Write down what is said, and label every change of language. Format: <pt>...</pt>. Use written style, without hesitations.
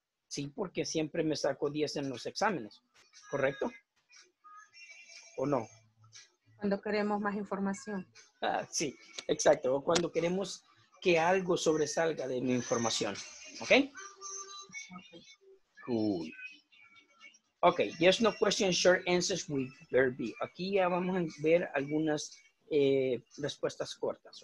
<es>Sí, porque siempre me saco 10 en los exámenes. ¿Correcto? ¿O no? Cuando queremos más información. Ah, sí, exacto. O cuando queremos que algo sobresalga de mi información. ¿Ok?</es> <en>Cool. Ok, yes, no questions, short answers with verb be.</en> <es>Aquí ya vamos a ver algunas respuestas cortas.</es>